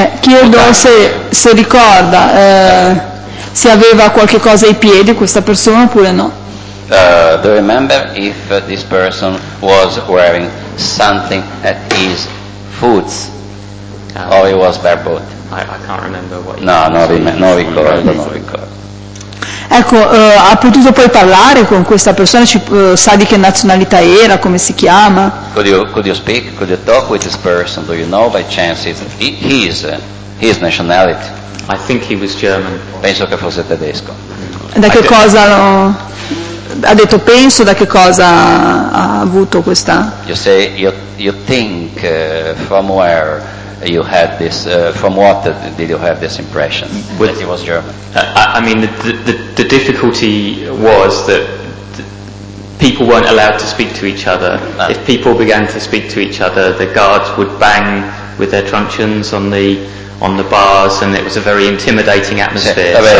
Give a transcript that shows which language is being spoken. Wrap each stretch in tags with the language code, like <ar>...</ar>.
<it>Chiedo se ricorda se aveva qualche cosa ai piedi questa persona oppure no.</it> <en>Do you remember if this person was wearing something at his foot or he was barefoot? I can't remember what.</en> <it>No, non ricordo. Ecco, ha potuto poi parlare con questa persona? Sa di che nazionalità era? Come si chiama?</it> <en>Could you speak? Could you talk with this person? Do you know by chance his nationality? I think he was German.</en> <it>Penso che fosse tedesco. Da che cosa lo... Ha detto penso, da che cosa ha avuto questa...</it> <en>You say, you think from where... You had this. From what did you have this impression that he was German? I mean, the difficulty was that people weren't allowed to speak to each other. If people began to speak to each other, the guards would bang with their truncheons on the bars, and it was a very intimidating atmosphere.</en>